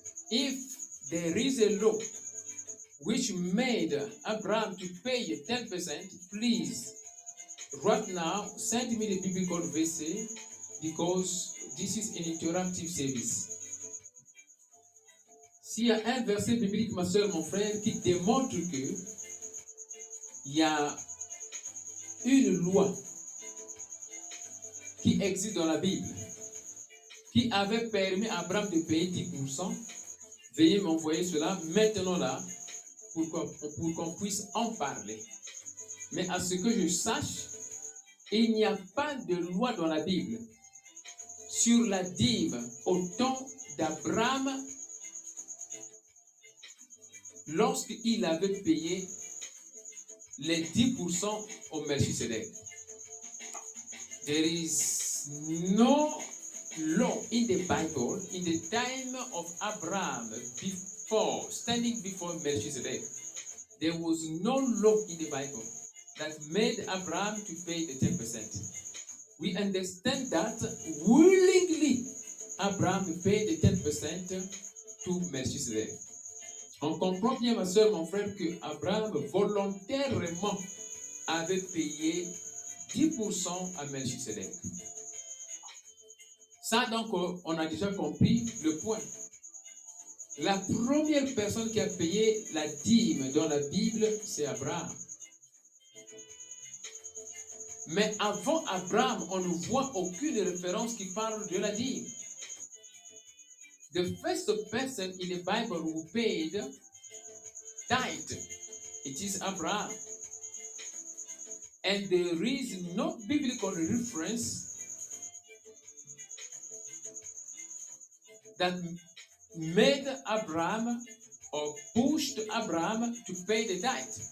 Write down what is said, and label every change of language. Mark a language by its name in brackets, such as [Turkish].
[English] If there is a law which made Abraham to pay 10%, please, right now, send me the biblical verse, because this is an interactive service. [French] S'il y a un verset biblique, ma soeur, mon frère, qui démontre que il y a une loi qui existe dans la Bible qui avait permis à Abraham de payer 10%, veuillez m'envoyer cela maintenant là pour qu'on puisse en parler. Mais à ce que je sache, il n'y a pas de loi dans la Bible sur la dîme au temps d'Abraham lorsqu'il avait payé les 10% au Melchizedek. [English] There is no law in the Bible in the time of Abraham before standing before Melchizedek. There was no law in the Bible that made Abraham to pay the 10%. We understand that willingly Abraham paid the 10% to Melchizedek. [French] On comprend bien, ma soeur, mon frère, que Abraham volontairement avait payé 10% à Melchizedek. Ça, donc, on a déjà compris le point. La première personne qui a payé la dîme dans la Bible, c'est Abraham. Mais avant Abraham, on ne voit aucune référence qui parle de la dîme. [English] The first person in the Bible who paid tithe, it is Abraham. And there is no biblical reference that made Abraham or pushed Abraham to pay the tithe.